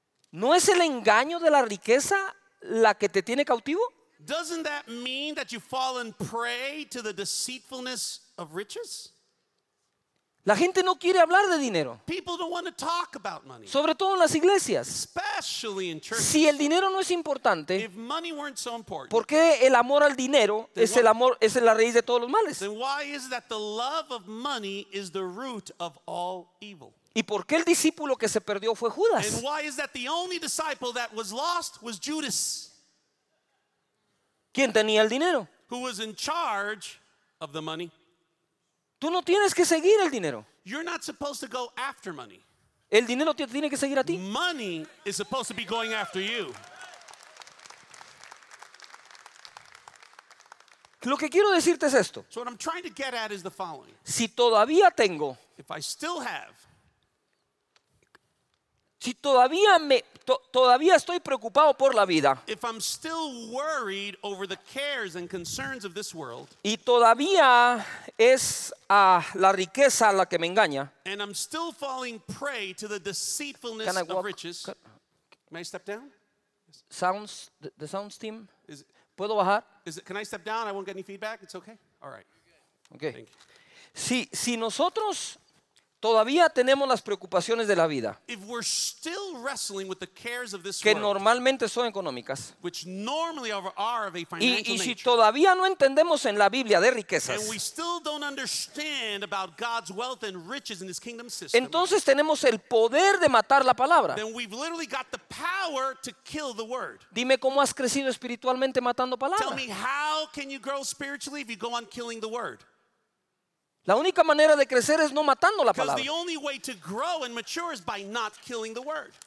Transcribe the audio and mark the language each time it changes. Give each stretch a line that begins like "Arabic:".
Spanish: ¿no es el engaño de la riqueza la que te tiene cautivo?
English: Doesn't that mean that you fall in prey to the deceitfulness of riches?
Spanish: La gente no quiere hablar de dinero.
English: People don't want to talk about money.
Spanish: Sobre todo en las iglesias.
English: Especially in churches.
Spanish: Si el dinero no es importante,
English: if money weren't so important,
Spanish: ¿por qué el amor al dinero es el amor, es la raíz de todos los males?
English: Then why is that the love of money is the root of all evil?
Spanish: ¿Y por qué el discípulo que se perdió fue Judas?
English: And why is that the only disciple that was lost was Judas?
Spanish: ¿Quién tenía el dinero?
English: Who was in charge of the money?
Spanish: Tú no tienes que seguir el dinero.
English: You're not supposed to go after money.
Spanish: El dinero te tiene que seguir a ti.
English: Money is supposed to be going after you.
Spanish: Lo que quiero decirte es esto.
English: So what I'm trying to get at is the following.
Spanish: Si todavía tengo,
English: if I still have,
Spanish: si todavía me todavía estoy preocupado por la vida,
English: if I'm still worried over the cares and concerns of this world,
Spanish: y todavía es a la riqueza la que me engaña,
English: and I'm still falling prey to the deceitfulness of riches. May I step down? Sounds the sounds team. Is it, ¿puedo bajar? Is it, can I step down? I won't get any feedback. It's okay. All right. Okay. Thank you.
Spanish: Si nosotros todavía tenemos las preocupaciones de la vida,
English: if we're still wrestling with the cares of this
Spanish: que
English: world,
Spanish: normalmente son económicas,
English: which normally are of a financial
Spanish: y si
English: nature,
Spanish: todavía no entendemos en la Biblia de riquezas,
English: and we still don't understand about God's wealth and riches in his kingdom system,
Spanish: entonces tenemos el poder de matar la palabra.
English: Then we've literally got the power to kill the word.
Spanish: Dime cómo has crecido espiritualmente matando palabra.
English: Tell me how can you grow spiritually if you go on killing the word.
Spanish: La única manera de crecer es no matando la palabra.
English: Because the only way to grow and mature is by not killing the word.